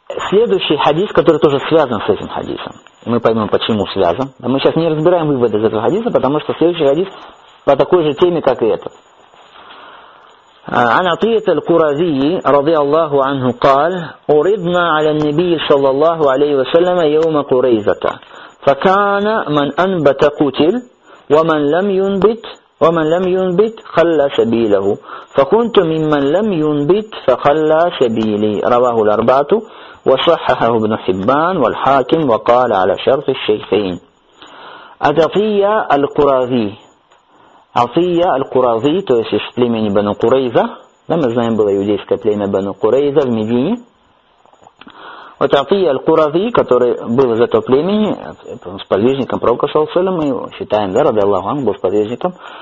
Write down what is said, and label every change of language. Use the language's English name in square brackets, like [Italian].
[Russian] Следующий хадис, который тоже связан с этим хадисом. Мы поймем, почему связан. Мы сейчас не разбираем выводы из этого хадиса, потому что следующий хадис по такой же теме, как и этот. [Arabic] عن عطية القرظي رضي الله عنه قال: عرضنا على النبي صلى الله عليه وسلم يوم قريظة فكان من أنبت قتل ومن لم ينبت ومن لم ينبت خلى سبيله فكنت ممن لم ينبت فخلى سبيلي رواه الأربعة وصححه ابن حبان والحاكم وقال على شرط الشيخين. [Russian] عطية القرظي, عطية القرظي, то есть из племени Бану Курейза, да, мы знаем, было иудейское племя Бану Курейза в Медине. Вот عطية القرظي, который был из этого племени, сподвижником пророка саллаллаху алейхи ва саллям, мы считаем, да, [Arabic] رضي الله عنه, [Russian] был сподвижником.